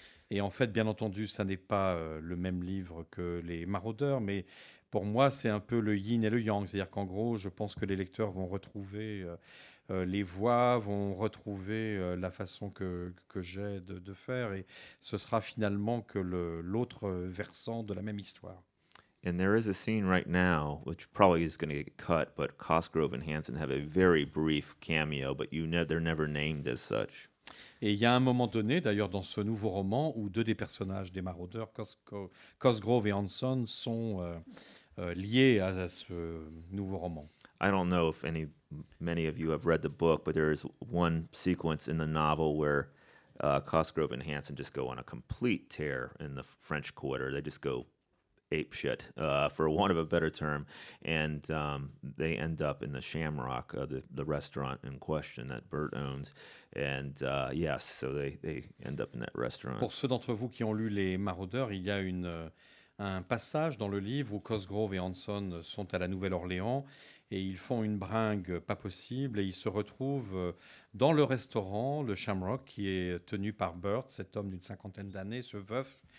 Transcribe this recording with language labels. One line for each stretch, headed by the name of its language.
French: Et en fait, bien entendu, ça n'est pas le même livre que les maraudeurs, mais pour moi, c'est un peu le yin et le yang. C'est-à-dire qu'en gros, je pense que les lecteurs vont retrouver les voix, vont retrouver la façon que j'ai de faire, et ce sera finalement que l'autre versant de la même histoire.
English: And there is a scene right now, which probably is going to get cut, but Cosgrove and Hanson have a very brief cameo, but they're never named as such.
French: Et il y a un moment donné, d'ailleurs, dans ce nouveau roman, où deux des personnages des maraudeurs, Cosgrove et Hanson, sont liés à ce nouveau roman.
English: I don't know if many of you have read the book, but there is one sequence in the novel where Cosgrove and Hanson just go on a complete tear in the French Quarter. They just go ape shit, for want of a better term, and they end up in the Shamrock, the restaurant in question that Bert owns, and yes, so they end up in that restaurant.
French: Pour ceux d'entre vous qui ont lu Les Maraudeurs, il y a un passage dans le livre où Cosgrove et Hanson sont à la Nouvelle-Orléans, et ils font une bringue pas possible, et ils se retrouvent dans le restaurant, le Shamrock, qui est tenu par Bert, cet homme d'une cinquantaine d'années, ce veuf.